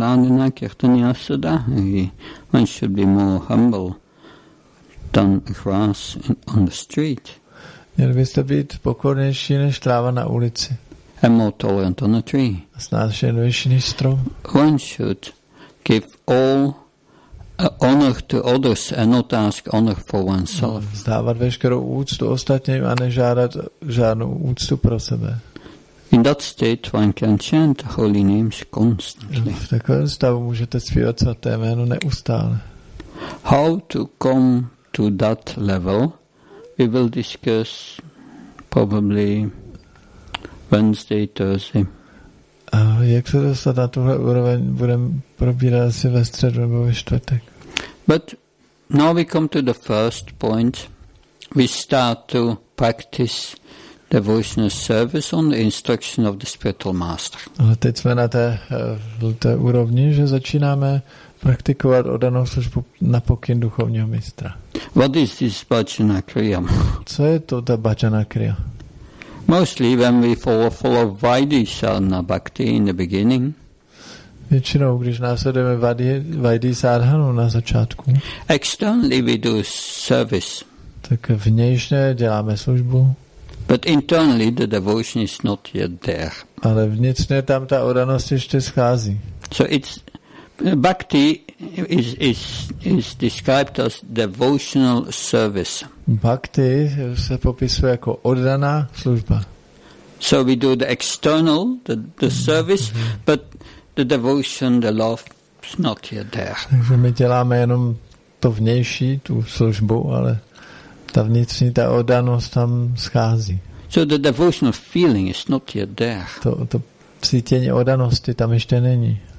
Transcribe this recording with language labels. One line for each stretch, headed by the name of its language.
English: One should be more humble than grass on the street.
Czech: Měl byste být pokornější než tráva na ulici.
English: And more tolerant on a tree.
Czech: Snášenější než strom.
English: One should give all honor to others and not ask honor for oneself.
Czech: Vzdávat veškerou úctu ostatním a nežádat žádnou úctu pro sebe.
English: In that state one can chant holy names constantly.
Czech: V takovém stavu můžete zpívat svaté jméno neustále.
English: How to come to that level we will discuss probably Wednesday, Thursday.
Czech: A jak se dostat na tuhle úroveň, budeme probírat asi ve středu nebo ve čtvrtek.
English: But now we come to the first point. We start to practice devotional service on the instruction of the spiritual master.
Czech: Ale teď jsme na té úrovni, že začínáme praktikovat oddanou službu na pokyn duchovního mistra.
English: What is this bhajana kriya?
Czech: Co je to ta bhajana kriya?
English: Mostly when we follow Vaidisadhana Bhakti in the beginning.
Czech: Většinou, když následujeme Vaidisadhanu na začátku.
English: Externally we do service.
Czech: Tak vnějšně děláme službu.
English: But internally the devotion is not yet there.
Czech: Ale vnitřně tam ta oddanost ještě schází.
English: So it's Bhakti is described as devotional service.
Czech: Bhakti se popisuje jako oddaná služba.
English: So we do the external, the service, mm-hmm. but the devotion, the love is not yet there.
Czech: Takže my děláme jenom to vnější, tu službu, ale ta vnitřní, ta oddanost tam schází.
English: So the devotional feeling is not yet there.
Czech: To cítění oddanosti tam ještě není.